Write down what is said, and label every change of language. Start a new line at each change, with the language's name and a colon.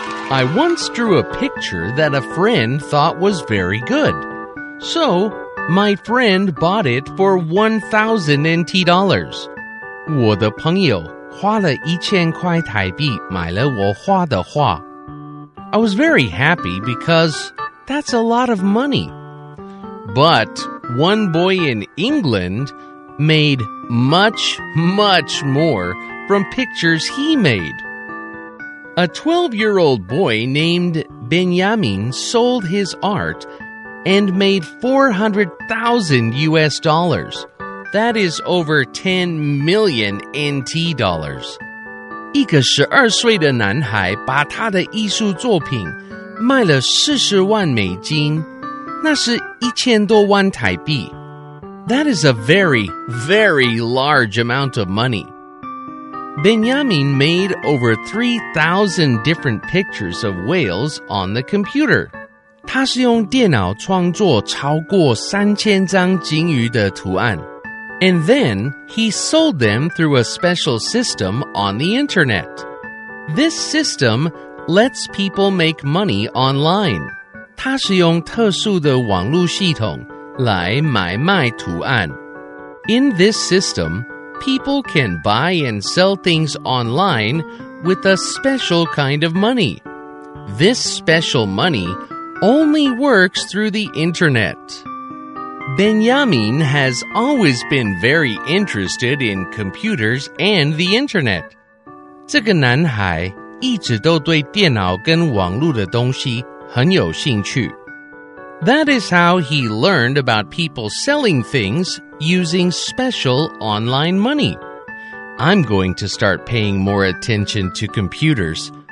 English: I once drew a picture that a friend thought was very good. So, my friend bought it for $1,000.
Chinese: 我的朋友花了一千块台币买了我画的画。
English: I was very happy because that's a lot of money. But one boy in England made much, much more from pictures he made. A 12-year-old boy named Benjamin sold his art and made $400,000. That is over $10 million NT dollars.
Chinese: 一个12岁的男孩把他的艺术作品卖了40万美金，那是一千多万台币。
English: That is a very, very large amount of money. Benjamin made over 3,000 different pictures of whales on the computer.
Chinese: 他是用电脑创作超过3000张鲸鱼的图案。
English: And then, he sold them through a special system on the internet. This system lets people make money online.
Chinese: 他是用特殊的网络系统来买卖图案。
English: In this system, people can buy and sell things online with a special kind of money. This special money only works through the internet. Benjamin has always been very interested in computers and the internet.
Chinese: 这个男孩一直都对电脑跟网络的东西很有兴趣。
English: That is how he learned about people selling things using special online money. I'm going to start paying more attention to computers.